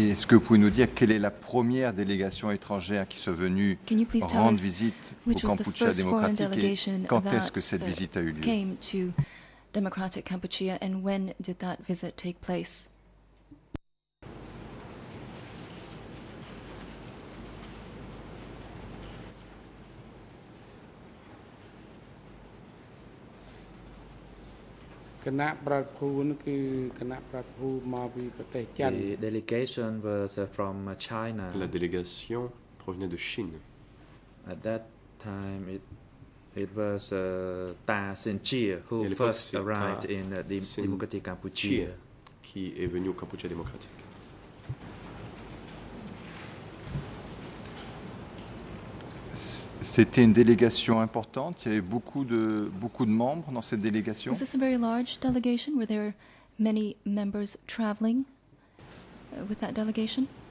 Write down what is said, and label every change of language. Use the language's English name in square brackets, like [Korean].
[French] Et est-ce que vous pouvez nous dire quelle est la première délégation étrangère qui soit venue rendre visite au Kampuchea démocratique et quand est-ce que cette visite a eu lieu? [English] Came to Democratic Cambodia and when did that visit take place? The delegation was from China. [French] La délégation provenait de Chine. [English] At that time, it was Ta Sinchia who first arrived in the Democratic Cambodia. [French] Qui est venu au Cambodia démocratique. C'était une délégation importante. Il y avait beaucoup de membres dans cette délégation. [English] Was this a very large delegation? Were there many members traveling with that delegation?